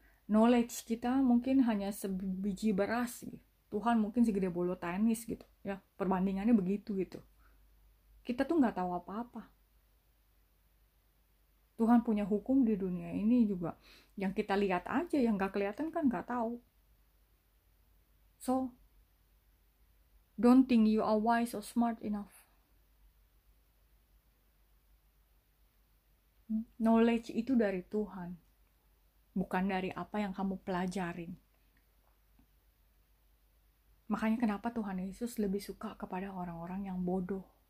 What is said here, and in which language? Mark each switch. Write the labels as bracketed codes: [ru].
[id] Knowledge kita mungkin hanya sebiji beras, gitu. Tuhan mungkin segede bola tenis, gitu ya, perbandingannya begitu, gitu. Kita tuh nggak tahu apa-apa. Tuhan punya hukum di dunia ini juga yang kita lihat aja, yang nggak kelihatan kan nggak tahu. [en] So don't think you are wise or smart enough. [id] Knowledge itu dari Tuhan, bukan dari apa yang kamu pelajarin. Makanya kenapa Tuhan Yesus lebih suka kepada orang-orang yang bodoh.